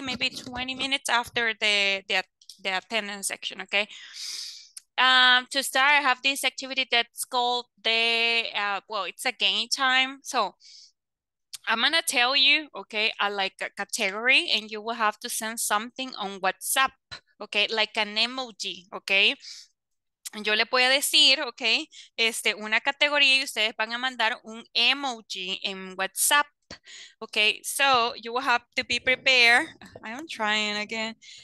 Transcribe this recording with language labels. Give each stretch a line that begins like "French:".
English: Maybe 20 minutes after the attendance section, okay? To start, I have this activity that's called the well, it's a game time. So I'm gonna tell you, okay, I like a category, and you will have to send something on WhatsApp, okay? Like an emoji, okay?
Spanish: Yo le voy a decir, ok, una categoría y ustedes van a mandar un emoji en WhatsApp.
English: Ok, so you will have to be prepared. I'm trying again.